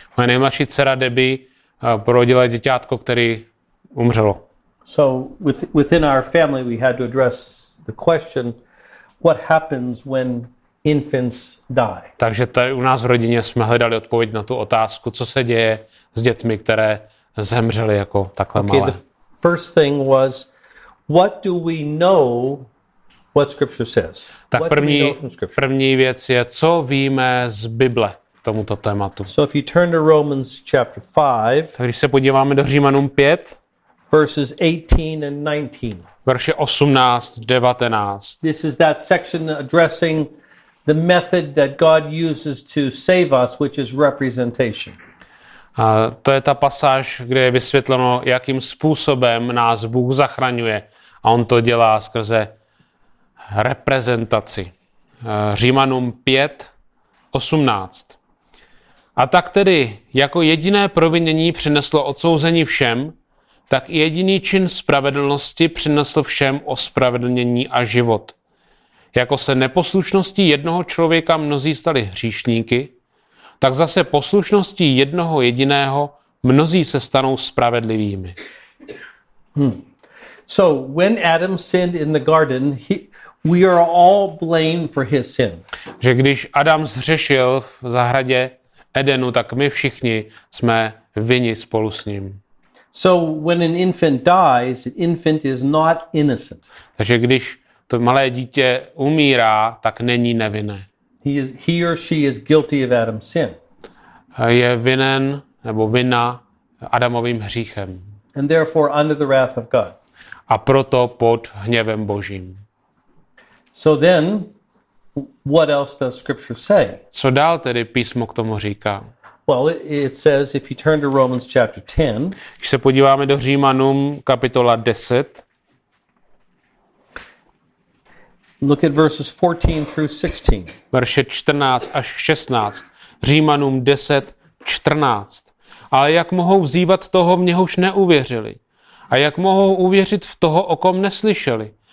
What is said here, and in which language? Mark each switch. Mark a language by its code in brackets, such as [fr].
[cs] Moje nejmladší dcera Debbie porodila děťátko, které umřelo. [en] So within our family we had to address the question, what happens when infants die. [cs] Takže tady u nás v rodině jsme hledali odpověď na tu otázku, co se děje s dětmi, které zemřely jako takhle malé. [en] Okay, the first thing was, what do we know what scripture says? [cs] Tak první věc je, co víme z Bible k tomuto tématu. [en] So if you turn to Romans chapter 5, [cs] když se podíváme do Římanům 5, [en] verses 18 and 19. [cs] Verše 18, 19. [en] This is that section addressing the method that God uses to save us, which is representation. [cs] To je ta pasáž, kde je vysvětleno, jakým způsobem nás Bůh zachraňuje. A on to dělá skrze reprezentaci. Římanům 5, 18. A tak tedy, jako jediné provinění přineslo odsouzení všem, tak jediný čin spravedlnosti přinesl všem ospravedlnění a život. Jako se neposlušností jednoho člověka mnozí stali hříšníky, tak zase poslušností jednoho jediného mnozí se stanou spravedlivými. [en] So when Adam sinned in the garden, we are all blamed for his sin. [cs] Že když Adam zhřešil v zahradě Edenu, tak my všichni jsme vinni spolu s ním. [en] So when an infant dies, an infant is not innocent. [cs] Takže když to malé dítě umírá, tak není nevinné. [en] He or she is guilty of Adam's sin. [cs] Je vinen nebo vinna Adamovým hříchem. [en] And therefore under the wrath of God. [cs] A proto pod hněvem Božím. [en] So then what else does scripture say? [cs] Co dál tedy písmo k tomu říká? [en] Well, it says if you turn to Romans chapter 10. [cs] Když se podíváme do Římanům kapitola 10. [en] Look at verses 14 through 16. [cs] Verše 14 až 16. Římanům 10, 14. Ale jak mohou vzývat toho, v něhož neuvěřili? A jak mohou uvěřit v toho, o kom neslyšeli?